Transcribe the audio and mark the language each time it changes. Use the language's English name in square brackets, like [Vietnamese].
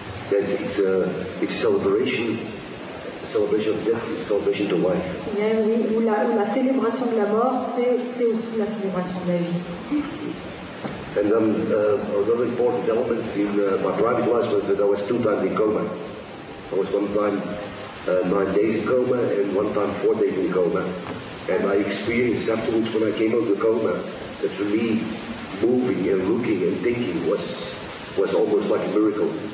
[English] That it's a celebration of death, it's a celebration to life. [French] Yeah, oui, ou la célébration de la mort, c'est aussi la célébration de la vie. [English] And another important element in my private life was that I was 2 times in coma. I was 1 time 9 days in coma and 1 time 4 days in coma. And I experienced afterwards when I came out of the coma that for me moving and looking and thinking was almost like a miracle.